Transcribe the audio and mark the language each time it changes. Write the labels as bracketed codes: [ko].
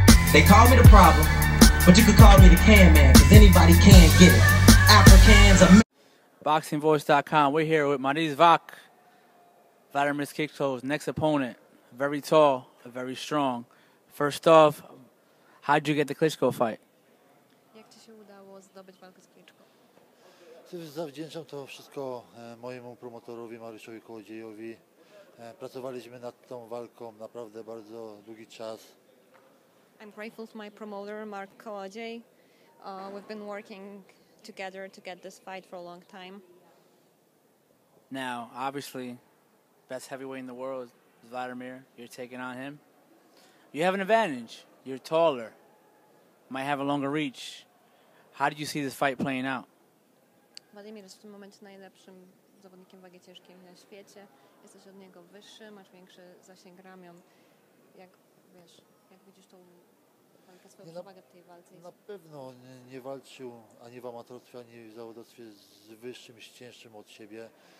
[en] They call me the problem, but you could call me the can man, because anybody can get it. Africans are... BoxingVoice.com. We're here with Maurice Vak, Vladimir Klitschko's next opponent. Very tall, very strong. First off, how'd you get the Klitschko fight? [pl] Jak ci się udało zdobyć walkę z Klitschko? Zawdzięczam to wszystko mojemu promotorowi Mariuszowi Kołodziejowi. Pracowaliśmy nad tą walką naprawdę bardzo długi czas. [en] I'm grateful to my promoter Mark Kołodziej. We've been working together to get this fight for a long time. Now, obviously, best heavyweight in the world is Vladimir. You're taking on him. You have an advantage. You're taller. Might have a longer reach. How did you see this fight playing out? [pl] Vladimir jest w tym momencie najlepszym zawodnikiem wagi ciężkiej na świecie. Jesteś od niego wyższy, masz większy zasięg ramion. Jak wiesz, jak widzisz tą walkę, swoją przewagę w tej walce? Na pewno nie walczył ani w amatorstwie, ani w zawodowstwie z wyższym, z cięższym od siebie.